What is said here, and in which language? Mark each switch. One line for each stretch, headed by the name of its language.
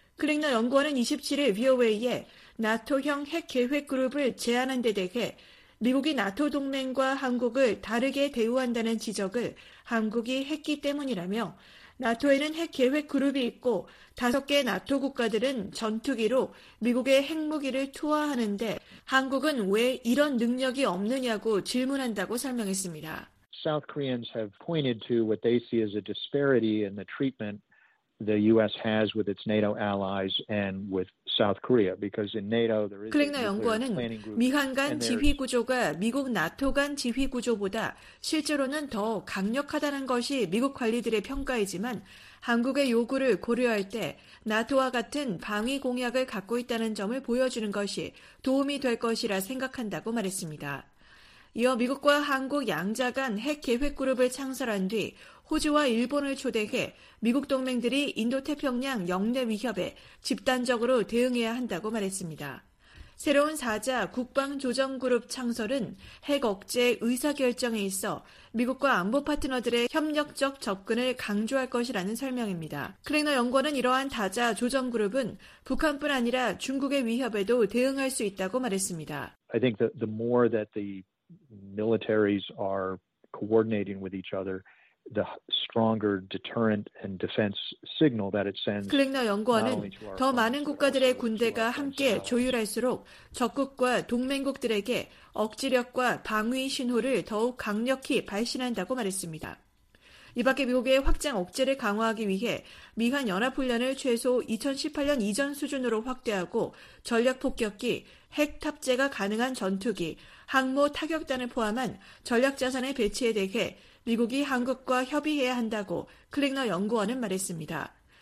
Korean: 클링너 연구원은 27일 VOA에 나토형 핵 계획 그룹을 제안한 데 대해 미국이 나토 동맹과 한국을 다르게 대우한다는 지적을 한국이 했기 때문이라며 나토에는 핵 계획 그룹이 있고 5개 나토 국가들은 전투기로 미국의 핵무기를 투하하는데 한국은 왜 이런 능력이 없느냐고 질문한다고 설명했습니다.
English: South Koreans have pointed to what they see as a disparity in the treatment the U.S. has with its NATO allies and with South Korea because in NATO there is
Korean: 클링너 연구원은 미한 간 지휘 구조가 미국 나토 간 지휘 구조보다 실제로는 더 강력하다는 것이 미국 관리들의 평가이지만 한국의 요구를 고려할 때 나토와 같은 방위 공약을 갖고 있다는 점을 보여주는 것이 도움이 될 것이라 생각한다고 말했습니다. 이어 미국과 한국 양자 간 핵 계획 그룹을 창설한 뒤 호주와 일본을 초대해 미국 동맹들이 인도태평양 영내 위협에 집단적으로 대응해야 한다고 말했습니다. 새로운 4자 국방조정그룹 창설은 핵 억제 의사결정에 있어 미국과 안보 파트너들의 협력적 접근을 강조할 것이라는 설명입니다. 클링너 연구원은 이러한 다자 조정그룹은 북한뿐 아니라 중국의 위협에도 대응할 수 있다고 말했습니다.
English: I think the more that the militaries are coordinating with each other, the stronger deterrent and defense signal that it sends.
Korean: 클릭너 연구원은 더 많은 국가들의 군대가 함께 조율할수록 적국과 동맹국들에게 억지력과 방위 신호를 더욱 강력히 발신한다고 말했습니다. 이 밖에 미국의 확장 억제를 강화하기 위해 미한 연합훈련을 최소 2018년 이전 수준으로 확대하고 전략폭격기, 핵 탑재가 가능한 전투기, 항모 타격단을 포함한 전략자산의 배치에 대해 미국이 한국과 협의해야 한다고 클릭너 연구원은 말했습니다.